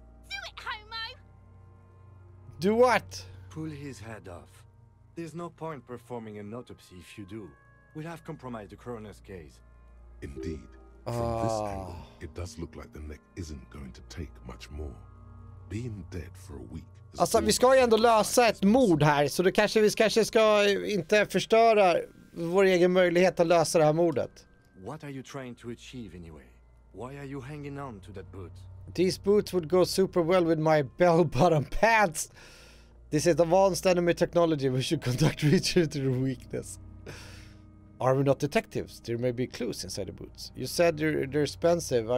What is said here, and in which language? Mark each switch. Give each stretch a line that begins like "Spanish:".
English: Do it, homo! Do what? Pull his head off. There's no point performing an autopsy if you do. We'll have compromised the coroner's case. Indeed. From this angle, it does look like the neck isn't going to take much more. Being dead for a week...
Swedish: Alltså, vi ska ju ändå lösa ett mord här, så då kanske vi kanske ska inte förstöra vår egen möjlighet att lösa det här mordet.
English: What are you trying to achieve anyway? Why are you hanging on to that boot? These boots would go super well with my bell-bottom pants. This is advanced enemy technology. We should conduct research to the weakness. Are we not detectives? There may be clues inside the boots. You said they're expensive.